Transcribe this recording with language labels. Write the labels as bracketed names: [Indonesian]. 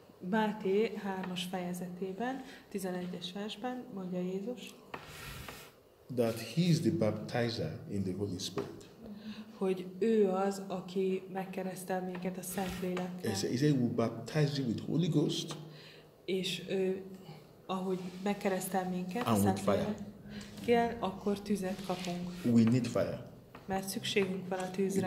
[Hungarian] Máté 3-as fejezetében, 11-es versben mondja Jézus, [English] that he is the baptizer in the Holy Spirit. [Hungarian] Hogy ő az, aki megkeresztel minket a Szentlélekkel. [English] He said, he will baptize you with Holy Ghost. [Hungarian] És ő, ahogy megkeresztel minket [English] and [Hungarian] a Szentlélekkel, akkor tüzet kapunk. [English] We need fire. [Hungarian] Mert szükségünk van a tűzre.